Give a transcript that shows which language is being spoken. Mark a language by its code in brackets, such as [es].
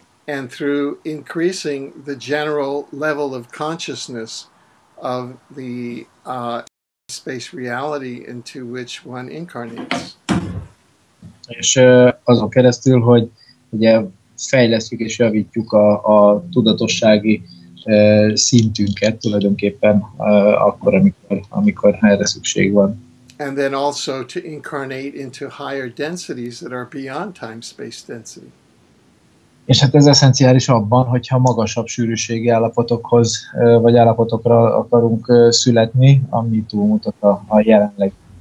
[en] And through increasing the general level of consciousness of the space reality into which one incarnates. [hu] És azon keresztül, hogy ugye fejlesztjük és javítjuk a tudatossági szintünket tulajdonképpen akkor, amikor erre szükség van. [en] And then also to incarnate into higher densities that are beyond time-space density. [hu] És hát ez eszenciális abban, hogyha magasabb sűrűségi állapotokhoz vagy állapotokra akarunk születni, ami túlmutat a jelenleg.